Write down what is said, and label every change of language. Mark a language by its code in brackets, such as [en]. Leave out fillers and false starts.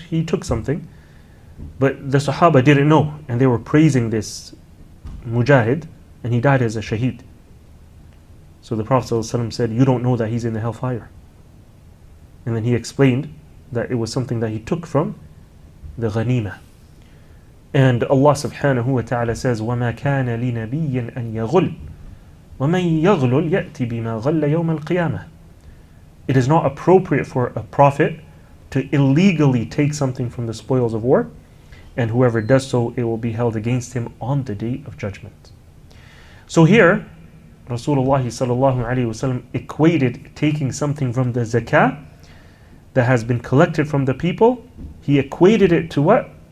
[en] He took something, but the Sahaba didn't know, and they were praising this Mujahid, and he died as a shaheed. So the Prophet ﷺ said, you don't know that he's in the hellfire. And then he explained that it was something that he took from the ghanima. And Allah subhanahu wa ta'ala says, [ar] وَمَا كَانَ لِنَبِيٍّ أَنْ يَغُلْ وَمَنْ يَغْلُلْ يَأْتِ بِمَا غَلَّ يَوْمَ الْقِيَامَةِ. [en] It is not appropriate for a prophet to illegally take something from the spoils of war, and whoever does so, it will be held against him on the day of judgment. So here, Rasulullah sallallahu alayhi wa sallam equated taking something from the zakah that has been collected from the people, he equated it to what?